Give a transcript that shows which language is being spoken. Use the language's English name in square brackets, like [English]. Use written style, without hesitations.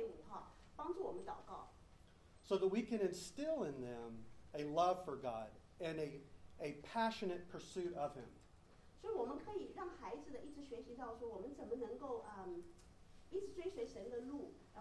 [Chinese] 那现在呢，我就希望你给你们一个祷告，我们祷告的，就是说你们能跟我们的就说青少年的事工、学生事工在一起作为一个就是跟我们同一个队伍哈，帮助我们祷告。So [English] that we can instill in them a love for God and a passionate pursuit of Him. [Chinese] 所以我们可以让孩子的一直学习到说，我们怎么能够一直追随神的路。